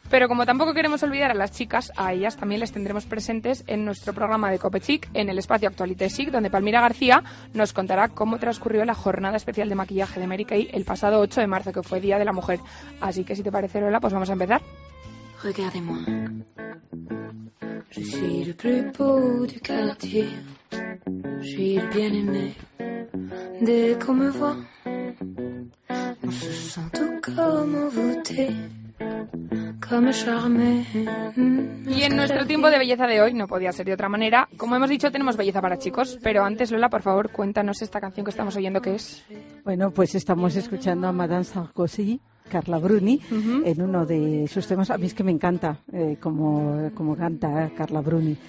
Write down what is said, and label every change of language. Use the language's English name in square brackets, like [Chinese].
[Spanish] Pero como tampoco queremos olvidar a las chicas, a ellas también les tendremos presentes en nuestro programa de COPE Chic, en el espacio Actualité Chic, donde Palmira García nos contará cómo transcurrió la jornada especial de maquillaje de Mary Kay el pasado 8 de marzo, que fue Día de la Mujer. Así que si te parece, Lola, pues vamos a empezar. [French] Regardez-moi. Je suis le plus beau du quartier. Je suis le bien-aimé. Dès qu'on me voit, on se sent tout comme envoûté. [Spanish] Y en nuestro tiempo de belleza de hoy no podía ser de otra manera. Como hemos dicho, tenemos belleza para chicos. Pero antes, Lola, por favor, cuéntanos esta canción que estamos oyendo, ¿qué es? Bueno, pues estamos escuchando a Madame Sarkozy, Carla Bruni, uh-huh, en uno de sus temas. A mí es que me encanta como canta Carla Bruni.